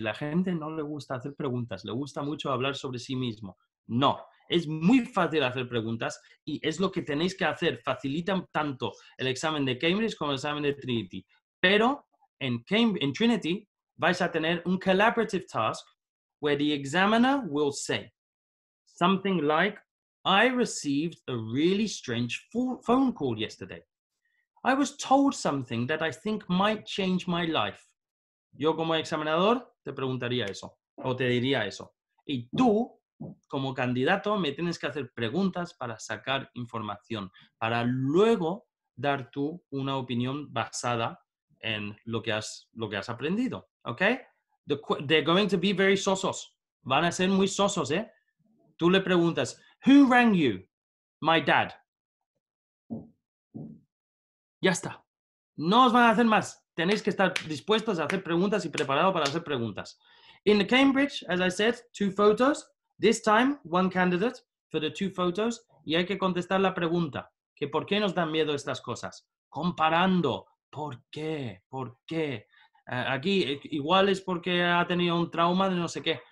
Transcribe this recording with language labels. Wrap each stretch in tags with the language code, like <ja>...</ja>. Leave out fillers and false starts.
<es>Y la gente no le gusta hacer preguntas, le gusta mucho hablar sobre sí mismo. No. Es muy fácil hacer preguntas y es lo que tenéis que hacer. Facilitan tanto el examen de Cambridge como el examen de Trinity. Pero en Trinity vais a tener un</es> <en>collaborative task where the examiner will say something like, I received a really strange phone call yesterday. I was told something that I think might change my life.</en> <es>Yo como examinador te preguntaría eso o te diría eso. Y tú, como candidato, me tienes que hacer preguntas para sacar información, para luego dar tú una opinión basada en lo que has aprendido, ¿ok?</es> <en>They're going to be very sosos.</en> <es>Van a ser muy sosos, ¿eh? Tú le preguntas,</es> <en>who rang you? My dad.</en> <es>Ya está. No os van a hacer más. Tenéis que estar dispuestos a hacer preguntas y preparados para hacer preguntas.</es> <en>In the Cambridge, as I said, two photos. This time, one candidate for the two photos.</en> <es>Y hay que contestar la pregunta, que ¿por qué nos dan miedo estas cosas? Comparando, ¿por qué? ¿Por qué? Aquí, igual es porque ha tenido un trauma de no sé qué.</es>